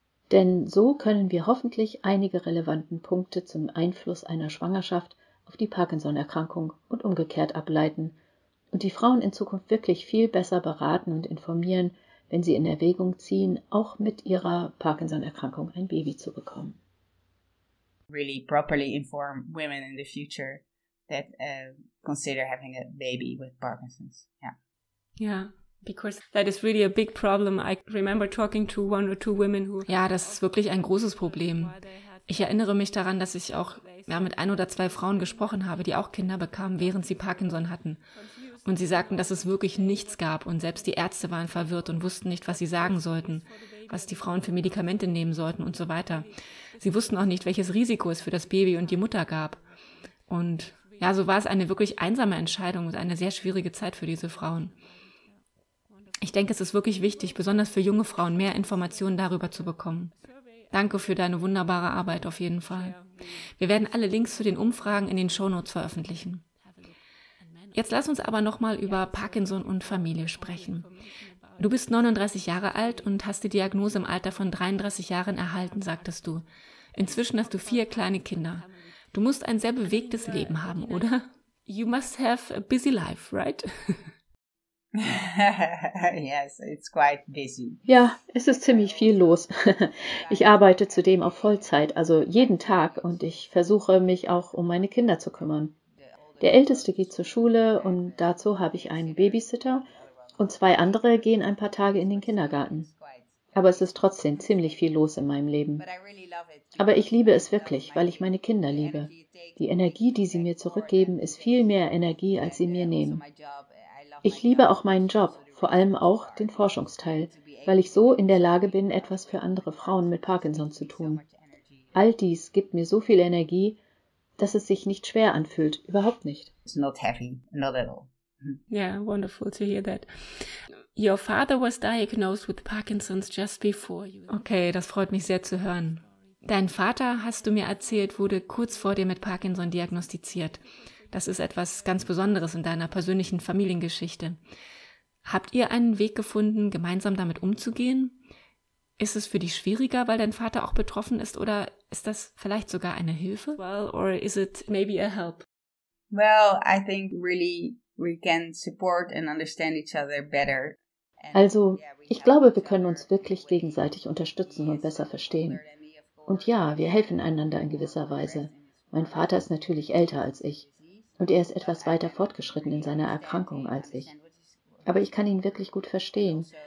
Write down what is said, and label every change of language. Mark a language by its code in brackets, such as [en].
[de] Denn so können wir hoffentlich einige relevanten Punkte zum Einfluss einer Schwangerschaft auf die Parkinson-Erkrankung und umgekehrt ableiten und die Frauen in Zukunft wirklich viel besser beraten und informieren, wenn sie in Erwägung ziehen, auch mit ihrer Parkinson-Erkrankung ein Baby zu bekommen. [en] Really properly inform women in the future that consider having a baby with Parkinson's. Yeah. Yeah. Because that is really a big problem. I remember talking to one or two women who. [de] Ja, das ist wirklich ein großes Problem. Ich erinnere mich daran, dass ich auch mit ein oder zwei Frauen gesprochen habe, die auch Kinder bekamen, während sie Parkinson hatten. Und sie sagten, dass es wirklich nichts gab und selbst die Ärzte waren verwirrt und wussten nicht, was sie sagen sollten, was die Frauen für Medikamente nehmen sollten und so weiter. Sie wussten auch nicht, welches Risiko es für das Baby und die Mutter gab. Und ja, so war es eine wirklich einsame Entscheidung und eine sehr schwierige Zeit für diese Frauen. Ich denke, es ist wirklich wichtig, besonders für junge Frauen, mehr Informationen darüber zu bekommen. Danke für deine wunderbare Arbeit auf jeden Fall. Wir werden alle Links zu den Umfragen in den Shownotes veröffentlichen. Jetzt lass uns aber nochmal über Parkinson und Familie sprechen. Du bist 39 Jahre alt und hast die Diagnose im Alter von 33 Jahren erhalten, sagtest du. Inzwischen hast du 4 kleine Kinder. Du musst ein sehr bewegtes Leben haben, oder? [en] You must have a busy life, right? Yes, it's quite busy. [de] Ja, es ist ziemlich viel los. Ich arbeite zudem auf Vollzeit, also jeden Tag, und ich versuche mich auch um meine Kinder zu kümmern. Der Älteste geht zur Schule und dazu habe ich einen Babysitter und 2 andere gehen ein paar Tage in den Kindergarten. Aber es ist trotzdem ziemlich viel los in meinem Leben. Aber ich liebe es wirklich, weil ich meine Kinder liebe. Die Energie, die sie mir zurückgeben, ist viel mehr Energie, als sie mir nehmen. Ich liebe auch meinen Job, vor allem auch den Forschungsteil, weil ich so in der Lage bin, etwas für andere Frauen mit Parkinson zu tun. All dies gibt mir so viel Energie, dass es sich nicht schwer anfühlt, überhaupt nicht. [en] It's not heavy, not at all. Yeah, wonderful to hear that. Your father was diagnosed with Parkinson's just before you. [de] Okay, das freut mich sehr zu hören. Dein Vater, hast du mir erzählt, wurde kurz vor dir mit Parkinson diagnostiziert. Das ist etwas ganz Besonderes in deiner persönlichen Familiengeschichte. Habt ihr einen Weg gefunden, gemeinsam damit umzugehen? Ist es für dich schwieriger, weil dein Vater auch betroffen ist, oder ist das vielleicht sogar eine Hilfe? [en] Well, or is it maybe a help? Well, I think really we can support and understand each other better. [de] Also, ich glaube, wir können uns wirklich gegenseitig unterstützen und besser verstehen. Und ja, wir helfen einander in gewisser Weise. Mein Vater ist natürlich älter als ich. Und er ist etwas weiter fortgeschritten in seiner Erkrankung als ich. Aber ich kann ihn wirklich gut verstehen.